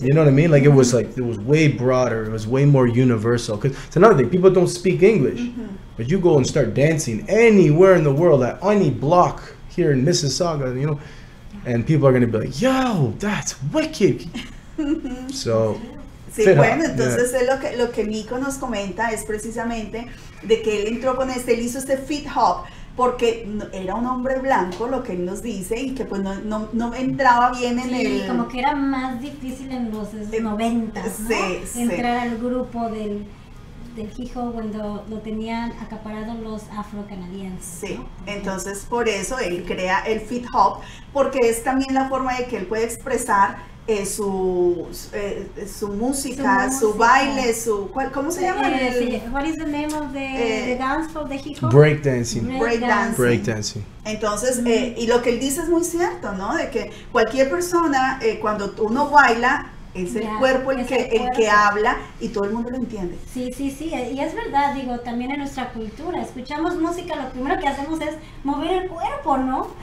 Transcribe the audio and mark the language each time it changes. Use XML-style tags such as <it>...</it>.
<en>you. You know what I mean? Like, mm-hmm. it was way broader. It was way more universal. Cause it's another thing, people don't speak English, mm-hmm. but you go and start dancing anywhere in the world, at any block here in Mississauga, you know, and people are going to be like, yo, that's wicked. So,</en> <es>sí, bueno, up. Entonces yeah. lo que Nico nos comenta es precisamente de que él entró con este, él hizo este fit hop, porque era un hombre blanco, lo que él nos dice, y que pues no entraba bien en sí, el... Sí, como que era más difícil en los 90s, ¿no? Sí, entrar sí. al grupo del hijo cuando lo tenían acaparado los afrocanadienses. Sí, ¿no? Entonces por eso él crea el fit hop, porque es también la forma de que él puede expresar su música, su baile, su ¿cómo se llama?</es> <en>What is the name of the dance for the hip hop? Breakdancing.</en> <es>Entonces, mm-hmm. Y lo que él dice es muy cierto, ¿no? De que cualquier persona, cuando uno baila, es el yeah, cuerpo el que habla y todo el mundo lo entiende. Sí, sí, sí. Y es verdad, digo, también en nuestra cultura. Escuchamos música, lo primero que hacemos es mover el cuerpo, ¿no?</es>